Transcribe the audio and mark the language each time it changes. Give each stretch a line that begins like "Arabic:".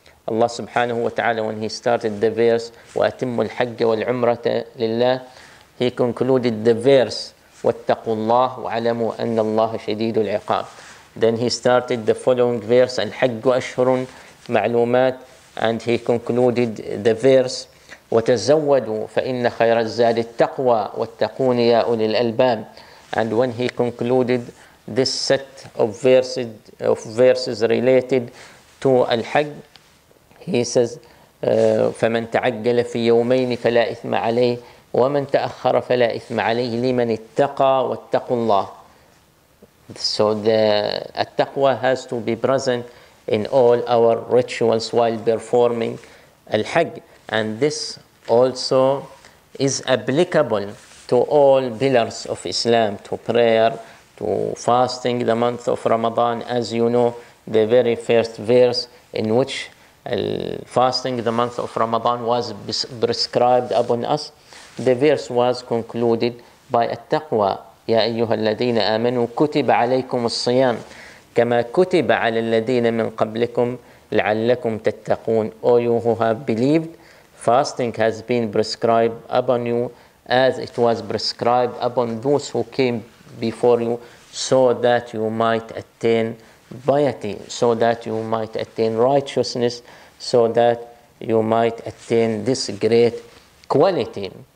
Arabic: Allah subhanahu wa ta'ala,
English: when He started the verse,
Arabic: وَأَتِمُّ الْحَجَّ وَالْعُمْرَةَ لِلَّهِ,
English: He concluded the verse,
Arabic: وَاتَّقُوا اللَّهُ وَعَلَمُوا أَنَّ اللَّهَ شَدِيدُ الْعِقَابِ.
English: Then He started the following verse,
Arabic: Al-Hajju Ashhurun Ma'lumat,
English: and He concluded the verse,
Arabic: وَتَزَوَّدُوا فَإِنَّ خَيْرَ الزَّادِ التَّقْوَى وَاتَّقُونِ يَا أُولِي الْأَلْبَابِ.
English: And when He concluded this set of verses related to Al-Hajj, He says,
Arabic: فَمَنْ تَعَجَّلَ فِي يَوْمَيْنِ فَلَا إِثْمَ عَلَيْهِ وَمَنْ تَأَخَّرَ فَلَا إِثْمَ عَلَيْهِ لِمَنْ اتَّقَى وَاتَّقُوا اللَّهِ.
English: So the at-taqwa has to be present in all our rituals while performing al-hajj. And this also is applicable to all pillars of Islam, to prayer, to fasting, the month of Ramadan. As you know, the very first verse in which fasting, the month of Ramadan, was prescribed upon us, the verse was concluded by at-taqwa.
Arabic: يا أيها الذين آمنوا كتب عليكم الصيام كما كتب على الذين من قبلكم لعلكم تتقون.
English: All you who have believed, fasting has been prescribed upon you as it was prescribed upon those who came before you, so that you might attain piety, so that you might attain righteousness, so that you might attain this great quality.